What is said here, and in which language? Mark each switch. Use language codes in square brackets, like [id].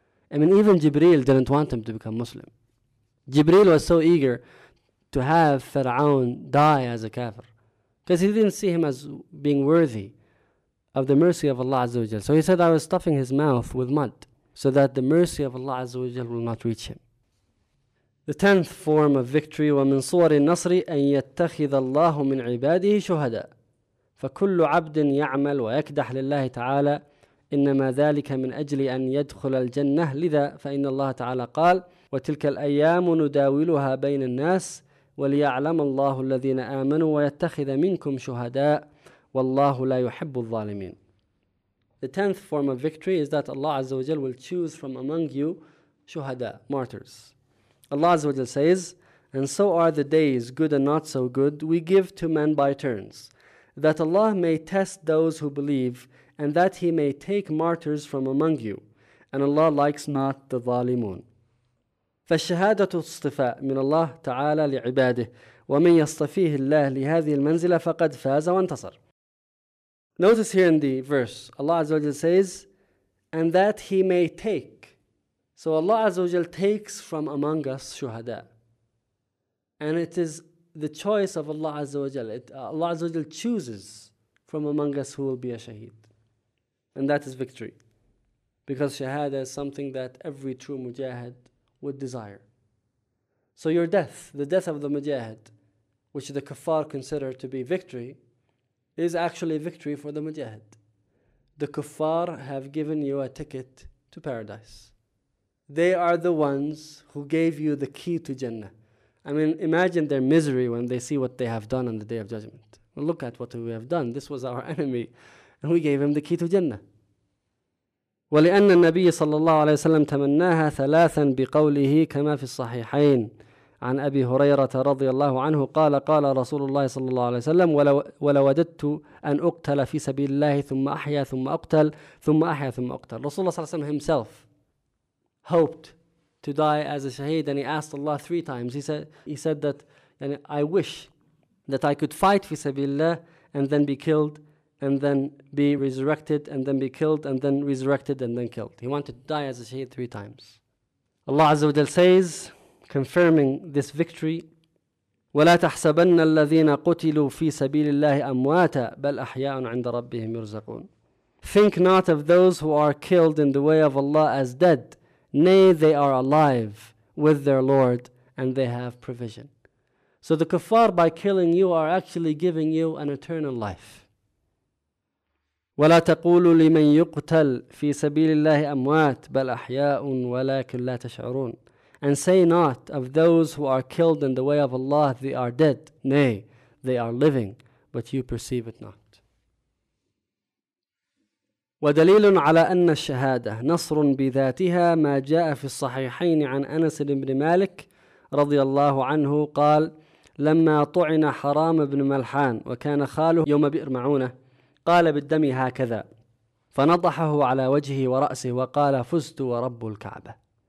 [en] I mean, even Jibreel didn't want him to become Muslim. Jibreel was so eager to have Fir'aun die as a kafir because he didn't see him as being worthy of the mercy of Allah Azza wa Jal. So he said, I was stuffing his mouth with mud so that the mercy of Allah Azza wa Jal will not reach him. The tenth form of victory, [ar] وَمِنْ صُوَرِ النَّصْرِ أَنْ يَتَّخِذَ اللَّهُ مِنْ عِبَادِهِ شُهَدًا فَكُلُّ عَبْدٍ يَعْمَلْ وَيَكْدَحْ لِلَّهِ تَعَالَى إنما ذلك من أجل أن يدخل الجنة. لذا فإن الله تعالى قال: وتلك الأيام نداولها بين الناس وليعلم الله الذين آمنوا ويتخذ منكم شهداء والله لا يحب الظالمين. [en] The tenth form of victory is that Allah Azza wa Jal will choose from among you shuhada, martyrs. Allah Azza wa Jal says, and so are the days, good and not so good, we give to men by turns, that Allah may test those who believe, and that He may take martyrs from among you. And Allah likes not the zalimun. [ar] فالشهادة اصطفاء من الله تعالى لعباده ومن يصطفيه الله لهذه المنزلة فقد فاز وانتصر. [en] Notice here in the verse, Allah Azza wa Jal says, and that He may take. So Allah Azza wa Jal takes from among us shuhada. And it is the choice of Allah Azza wa Jal. Allah Azza wa Jal chooses from among us who will be a shaheed. And that is victory. Because shahada is something that every true mujahid would desire. So your death, the death of the mujahid, which the kuffar consider to be victory, is actually a victory for the mujahid. The kuffar have given you a ticket to paradise. They are the ones who gave you the key to Jannah. I mean, imagine their misery when they see what they have done on the Day of Judgment. Look at what we have done. This was our enemy. And we gave him the key to Jannah. [ar] وَلِأَنَّ النَّبِيِّ صَلَّى اللَّهُ عَلَيْهِ وَسَلَّمْ تَمَنَّاهَا ثَلَاثًا بِقَوْلِهِ كَمَا فِي الصَّحِيحَيْنِ عن أبي هريرة رضي الله عنه قال قال رسول الله صلى الله عليه وسلم ولوددت أن أقتل في سبيل الله ثم أحيا ثم أقتل ثم أحيا ثم أقتل. رسول الله صلى الله عليه وسلم [en] himself hoped to die as a shaheed, and he asked Allah three times. He said that, and I wish that I could fight [ar] في سبيل الله [en] and then be killed and then be resurrected and then be killed and then resurrected and then killed. He wanted to die as a shaheed three times. Allah Azza wa Jal says, confirming this victory, [ar] وَلَا تَحْسَبَنَّ الَّذِينَ قُتِلُوا فِي سَبِيلِ اللَّهِ أَمْوَاتًا بَلْ أَحْيَاءٌ عِنْدَ رَبِّهِمْ يُرْزَقُونَ. [en] Think not of those who are killed in the way of Allah as dead. Nay, they are alive with their Lord and they have provision. So the kuffar, by killing you, are actually giving you an eternal life. [ar] وَلَا تَقُولُوا لِمَنْ يُقْتَلْ فِي سَبِيلِ اللَّهِ أَمْوَاتٌ بَلْ أَحْيَاءٌ وَلَكِنْ لَا تَشْعُرُونَ. [en] And say not of those who are killed in the way of Allah, they are dead. Nay, they are living, but you perceive it not. [ar] ودليل على أن الشهادة نصر بذاتها ما جاء في الصحيحين عن أنس بن مالك رضي الله عنه قال لما طعن حرام بن ملحان وكان خاله يوم بئر معونة قال بالدم هكذا فنضحه على وجهه ورأسه وقال فزت ورب الكعبة.